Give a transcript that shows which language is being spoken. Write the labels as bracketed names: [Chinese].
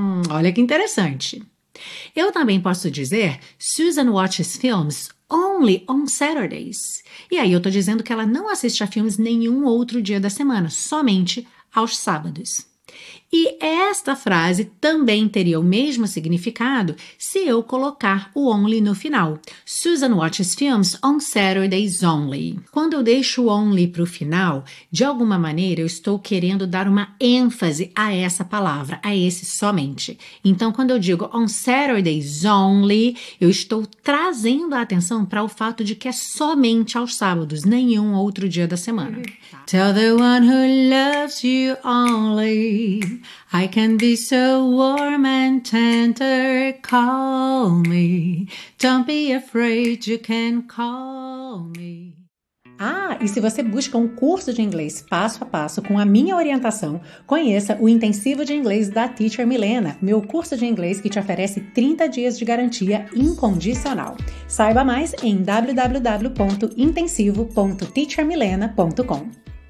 [Portuguese] Olha que interessante. Eu também posso dizer [English] Susan watches films only on Saturdays. [Portuguese] E aí eu estou dizendo que ela não assiste a filmes nenhum outro dia da semana, somente aos sábados. E esta frase também teria o mesmo significado se eu colocar o only no final. [English] Susan watches films on Saturdays only. [Portuguese] Quando eu deixo o only para o final, de alguma maneira eu estou querendo dar uma ênfase a essa palavra, a esse somente. Então, quando eu digo [English] on Saturdays only, [Portuguese] eu estou trazendo a atenção para o fato de que é somente aos sábados, nenhum outro dia da semana. [English] Tell the one who loves you only, I can be so warm and tender, call me, don't be afraid, you can call me. [Portuguese] Ah, e se você busca um curso de inglês passo a passo com a minha orientação, conheça o Intensivo de Inglês da Teacher Milena, meu curso de inglês que te oferece 30 dias de garantia incondicional. Saiba mais em www.intensivo.teachermilena.com.